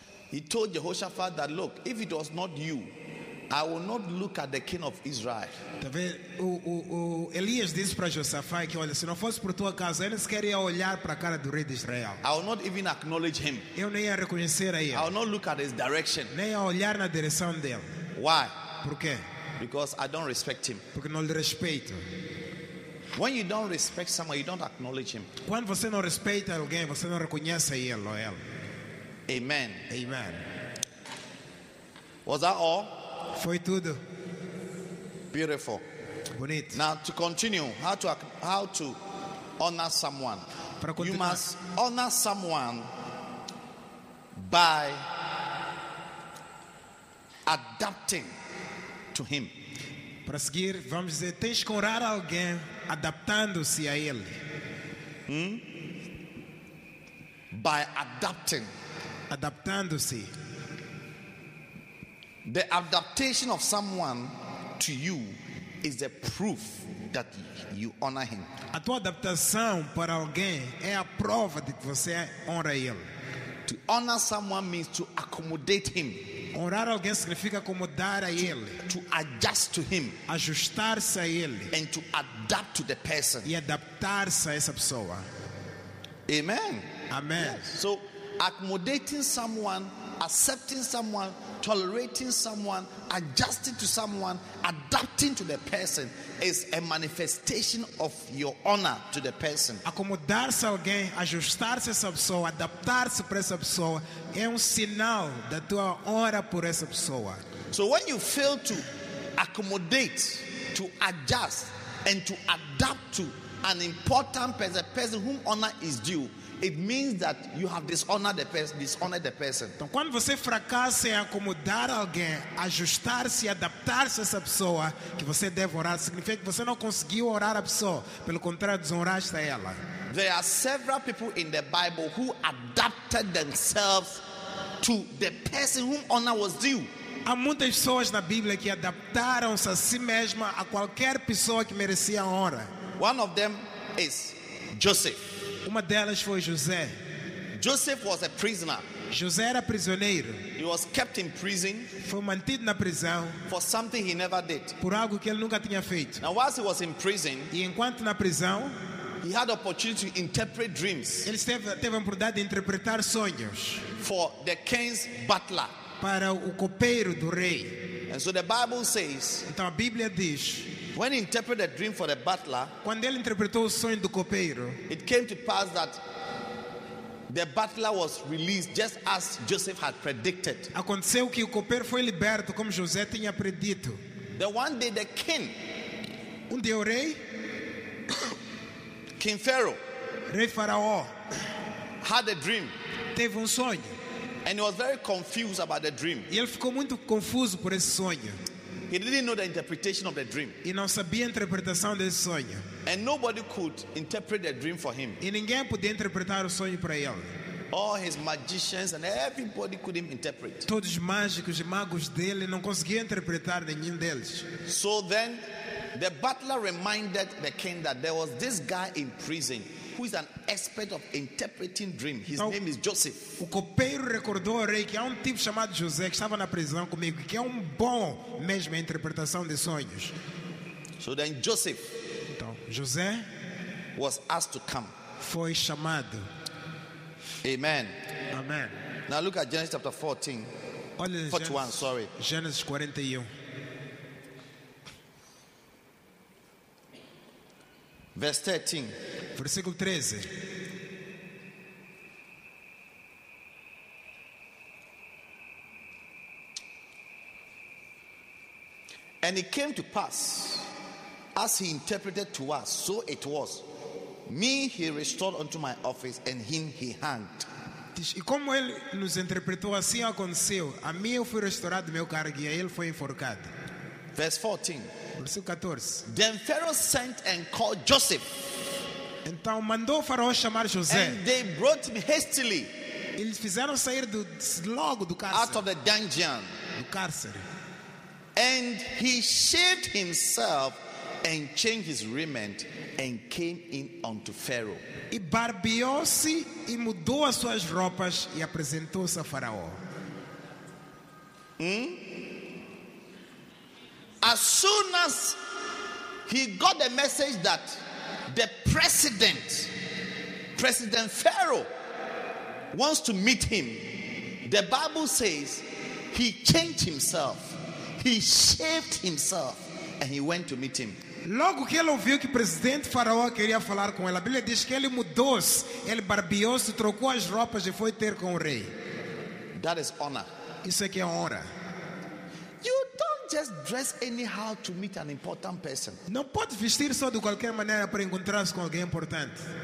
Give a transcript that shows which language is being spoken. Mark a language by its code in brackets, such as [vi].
[en] He told Jehoshaphat that, look, if it was not you, I will not look at the king of Israel. [pt] O Elias disse para Josafá que, olha, se não fosse por tua casa, ele sequer ia olhar para a cara do rei de Israel. [en] I will not even acknowledge him. [pt] Eu nem ia reconhecer a ele. [en] I will not look at his direction. [pt] Nem ia olhar na direção dele. [en] Why? [pt] Por quê? [en] Because I don't respect him. [pt] Porque não lhe respeito. [en] When you don't respect someone, you don't acknowledge him. [pt] Quando você não respeita alguém, você não reconhece ele ou ela. [en] Amen. [pt] Amen. [en] Was that all? [pt] Foi tudo. [en] Beautiful. [pt] Bonito. [en] Now to continue, how to honor someone. [pt] Para continuar. [en] You must honor someone by adapting to him. [pt] Para seguir, vamos dizer, tens que honrar alguém adaptando-se a ele. [en] By adapting. [pt] Adaptando-se. [en] The adaptation of someone to you is the proof that you honor him. [pt] A tua adaptação para alguém é a prova de que você honra ele. [en] To honor someone means to accommodate him. [pt] Honrar alguém significa acomodar a ele. [en] To adjust to him. [pt] Ajustar-se a ele. [en] And to adapt to the person. [pt] E adaptar-se a essa pessoa. [en] Amen. [pt] Amen. [en] Yes. So, accommodating someone, accepting someone, tolerating someone, adjusting to someone, adapting to the person is a manifestation of your honor to the person. [pt] Acomodar-se alguém, ajustar-se a essa pessoa, adaptar-se para essa pessoa é sinal da tua honra por essa pessoa. [en] So when you fail to accommodate, to adjust and to adapt to an important person, a person whom honor is due, it means that you have dishonored the person. [pt] Então, quando você fracassa em acomodar alguém, ajustar-se e adaptar-se a essa pessoa que você deve orar, significa que você não conseguiu orar a pessoa. Pelo contrário, desonraste a ela. [en] There are several people in the Bible who adapted themselves to the person whom honor was due. [pt] Há muitas pessoas na Bíblia que adaptaram-se a si mesma a qualquer pessoa que merecia honra. [en] One of them is Joseph. [pt] Uma delas foi José. [en] Joseph was a prisoner. [pt] José era prisioneiro. [en] He was kept in prison. [pt] Foi mantido na prisão. [en] For something he never did. [pt] Por algo que ele nunca tinha feito. [en] Now, whilst he was in prison, [pt] e enquanto na prisão, [en] he had opportunity to interpret dreams. [pt] Ele teve a oportunidade de interpretar sonhos. [en] For the king's butler. [pt] Para o copeiro do rei. [en] And so the Bible says. [pt] Então a Bíblia diz. [en] When he interpreted a dream for the butler. [pt] Quando ele interpretou o sonho do copeiro. [en] It came to pass that the butler was released just as Joseph had predicted. [pt] Aconteceu que o copeiro foi liberto como José tinha predito. [en] Then one day the king. [pt] Um dia o rei. [en] King Pharaoh. [pt] Rei Faraó. [en] Had a dream. [pt] Teve um sonho. [en] And he was very confused about the dream. [pt] E ele ficou muito confuso por esse sonho. [en] He didn't know the interpretation of the dream. [pt] E não sabia a interpretação desse sonho. [en] And nobody could interpret the dream for him. [pt] E ninguém podia interpretar o sonho para ele. [en] All his magicians and everybody couldn't interpret. [pt] Todos os mágicos e magos dele não conseguiam interpretar nenhum deles. [en] So then the butler reminded the king that there was this guy in prison who is an expert of interpreting dreams. His name is Joseph. [pt] O copeiro recordou ao rei que há um tipo chamado José que estava na prisão comigo, que é um bom mesmo em interpretação de sonhos. [en] So then Joseph, [pt] então, José [en] was asked to come. [pt] Foi chamado. [en] Amen. [pt] Amen. [en] Now look at Genesis chapter 14. [pt] Olha, [en] 41, Genesis, sorry. Genesis 41. Verse 13. [pt] Versículo 13. [en] And it came to pass, as he interpreted to us, so it was. Me he restored unto my office, and him he hanged. [pt] E como ele nos interpretou, assim aconteceu. A mim eu fui restaurado do meu cargo, e a ele foi enforcado. [en] Verse 14. [pt] Versículo 14. [en] Then Pharaoh sent and called Joseph. [pt] Então mandou o faraó chamar José. [en] And they brought him hastily. [pt] Eles fizeram sair logo do cárcere. [en] Out of the dungeon. [pt] Do cárcere. [en] And he shaved himself and changed his raiment and came in unto Pharaoh. [pt] E barbeou-se e mudou as suas roupas e apresentou-se a faraó. [en] As soon as he got the message that the President Pharaoh wants to meet him, the Bible says he changed himself, he shaved himself, and he went to meet him. [pt] Logo que ele ouviu que o presidente faraó queria falar com ele, a Bíblia diz que ele mudou-se, ele barbeou-se, trocou as roupas e foi ter com o rei. [en] That is honor. [pt] Isso é que é honra. [en] Just dress anyhow to meet an important person. [pt] Não pode vestir só de qualquer maneira para encontrar-se com alguém importante.